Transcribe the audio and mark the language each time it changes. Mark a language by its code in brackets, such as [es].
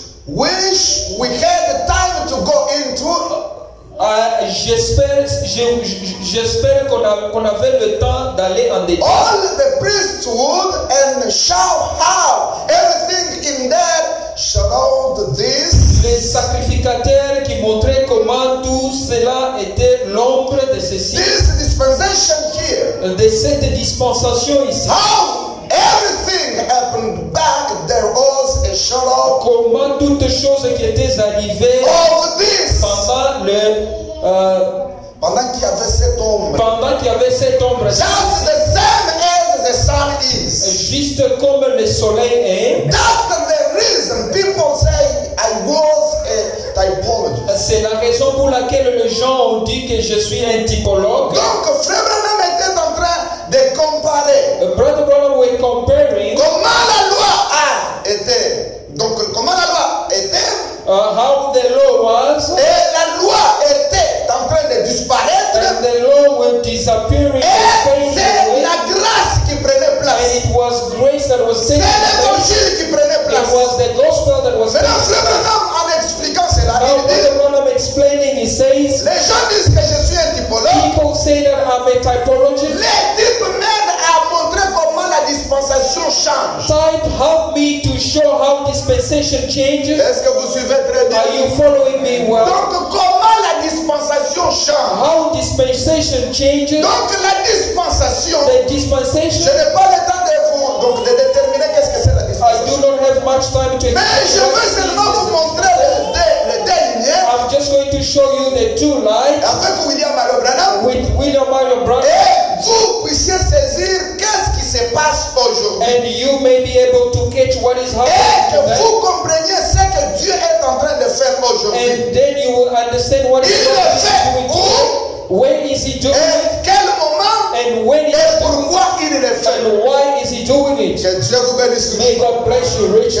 [en] Wish we had the time to go into. [fr] J'espère qu'on avait le temps d'aller en détail. [en] All the priesthood and shall have everything in that shadow this. [fr] Les sacrificateurs qui montraient comment tout cela était l'ombre de ceci. [en] This dispensation here. [fr] De cette dispensation ici. [en] How everything happened back there was a shadow. [fr] Comment toutes choses qui étaient arrivées. [en] All this. [fr] Pendant le pendant qu'il y avait cette ombre. Pendant qu'il y avait cette ombre. [en] Just the same as the sun is. [fr] Juste comme le soleil est. [en] That's the reason people say I was a typo. [fr] C'est la raison pour laquelle les gens ont dit que je suis un typologue. Donc, Frère Branham était en train de comparer. [en] Brother Branham was comparing. [fr] Comment la loi a été. Donc, comment la loi était. [en] How the law was. [fr] Et la loi était en train de disparaître. [en] And the law was disappearing. [fr] Et c'est la grâce qui prenait place. [en] And it was grace that was taking place. [fr] C'est l'évangile qui prenait place. [en] It was the gospel that was taking place. [fr] Mais Frère Branham, en expliquant cela, il dit. [en] Brother Branham explaining, he says. [fr] Les gens disent que je suis un typologue. [en] People say that I'm a typology. [fr] Les types m'aident à montrer comment la dispensation change. [en] Type help me to show how dispensation changes. [fr] Est-ce que vous suivez très bien? [en] Are you following me well? [fr] Donc comment la dispensation change? [en] How dispensation changes? [fr] Donc la dispensation. [en] The dispensation. [fr] Je n'ai pas le temps de vous donc de déterminer qu'est-ce que c'est la dispensation. [en] I do not have much time to. [fr] Mais je veux seulement vous montrer le dernier. [en] I'm just going to show you the two lights. [fr] Avec William Mario Branham. [en] With William Mario Branham. [fr] Et vous puissiez saisir qu'est-ce qui se passe aujourd'hui. [en] And you may be able to catch what is happening. [fr] Et que vous compreniez ce que Dieu est en train de faire aujourd'hui. [en] And then you will understand what [fr] il [en] is [fr] fait [en] doing. [fr] Où? [en] When is he doing it? [fr] Quel moment? [en] And when [fr] et [en] is [fr] pourquoi [en] doing [fr] il le fait? [en] And why is he doing it? [fr] Que Dieu vous bénisse. [en] May God bless you richly.